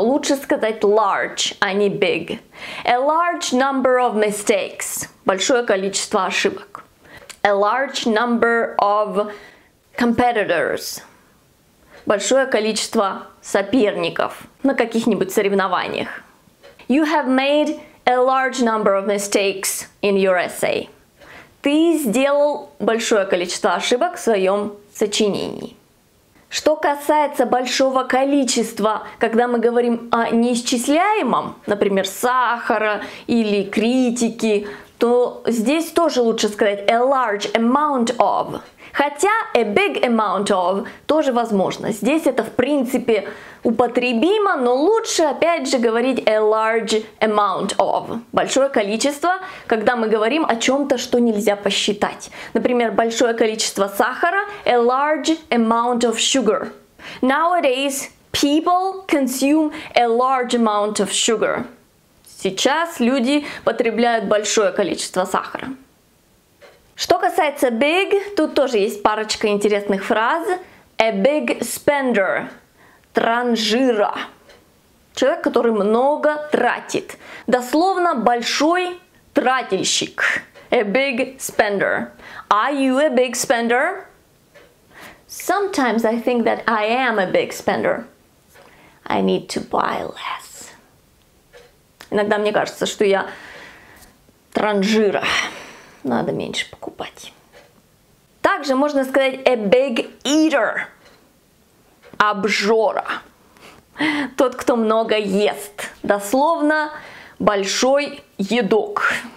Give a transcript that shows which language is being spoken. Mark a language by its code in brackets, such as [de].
[ru] Лучше сказать large, а не big. [en] A large number of mistakes. [ru] Большое количество ошибок. [en] A large number of competitors. [ru] Большое количество соперников на каких-нибудь соревнованиях. [en] You have made a large number of mistakes in your essay. [ru] Ты сделал большое количество ошибок в своем сочинении. Что касается большого количества, когда мы говорим о неисчисляемом, например, сахара или критики, то здесь тоже лучше сказать [en] a large amount of. [ru] Хотя [en] a big amount of [ru] тоже возможно. Здесь это в принципе употребимо, но лучше опять же говорить [en] a large amount of. [ru] Большое количество, когда мы говорим о чем-то, что нельзя посчитать. Например, большое количество сахара, [en] a large amount of sugar. Nowadays people consume a large amount of sugar. [ru] Сейчас люди потребляют большое количество сахара. Что касается big, тут тоже есть парочка интересных фраз. [en] A big spender. [ru] Транжира. Человек, который много тратит. Дословно, большой тратильщик. [en] A big spender. Are you a big spender? Sometimes I think that I am a big spender. I need to buy less. [ru] Иногда мне кажется, что я транжира. Надо меньше покупать. Также можно сказать [en] a big eater. [ru] Обжора. Тот, кто много ест. Дословно, большой едок.